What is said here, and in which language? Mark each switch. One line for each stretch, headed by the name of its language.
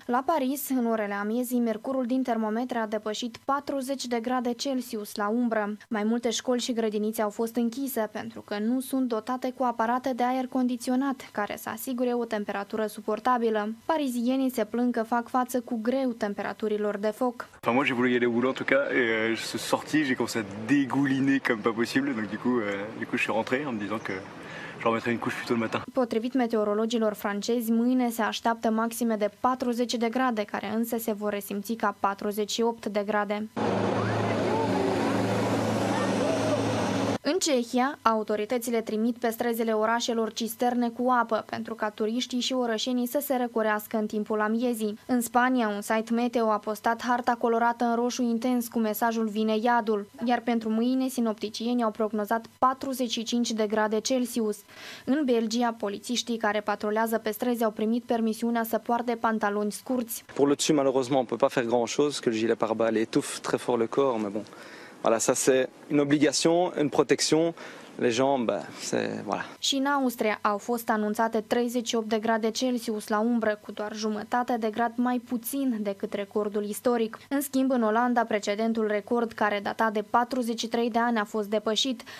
Romanian: La Paris, în orele amiezii, mercurul din termometre a depășit 40 de grade Celsius la umbră. Mai multe școli și grădinițe au fost închise pentru că nu sunt dotate cu aparate de aer condiționat, care să asigure o temperatură suportabilă. Parizienii se plâng că fac față cu greu temperaturilor de foc.
French: Enfin, moi, j'ai voulu y aller au boulot, en tout cas, et je suis sorti, j'ai commencé à dégouliner comme pas possible, donc du coup, je suis rentré en me disant que...
Romanian: Potrivit meteorologilor francezi, mâine se așteaptă maxime de 40 de grade, care însă se vor resimți ca 48 de grade. În Cehia, autoritățile trimit pe străzile orașelor cisterne cu apă pentru ca turiștii și orășenii să se răcorească în timpul amiezii. În Spania, un site meteo a postat harta colorată în roșu intens cu mesajul "Vine iadul", iar pentru mâine sinopticienii au prognozat 45 de grade Celsius. În Belgia, polițiștii care patrulează pe străzi au primit permisiunea să poarte pantaloni scurți.
French: Pour le dessus, malheureusement, on peut pas faire grand-chose, que le gilet pare-balles étouffe très fort le corps, mais bon. Voilà, ça c'est une obligation, une protection. Les gens, ben, c'est, voilà.
Romanian: Și în Austria au fost anunțate 38 de grade Celsius la umbră, cu doar jumătate de grad mai puțin decât recordul istoric. În schimb, în Olanda, precedentul record, care data de 43 de ani, a fost depășit.